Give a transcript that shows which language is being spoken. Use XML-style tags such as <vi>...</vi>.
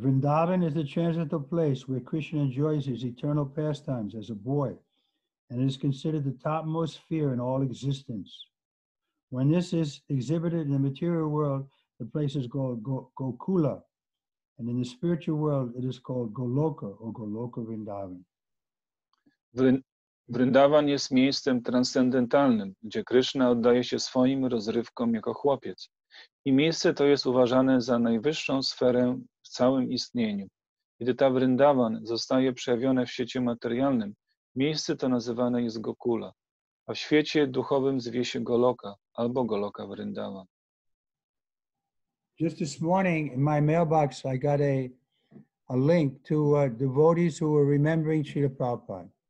<en>Vrindavan is the transcendental place where Krishna enjoys his eternal pastimes as a boy, and is considered the topmost sphere in all existence. When this is exhibited in the material world, the place is called Gokula, and in the spiritual world, it is called Goloka or Goloka Vrindavan.</en> <pl>Vrindavan jest miejscem transcendentalnym, gdzie Krishna oddaje się swoim rozrywkom jako chłopiec. I miejsce to jest uważane za najwyższą sferę w całym istnieniu. Gdy ta Vrindavan zostaje przejawione w świecie materialnym, miejsce to nazywane jest Gokula, a w świecie duchowym zwie się Goloka albo Goloka Vrindavan.</pl> <en>Just this morning in my mailbox I got a link to devotees who were remembering Srila Prabhupada.</en>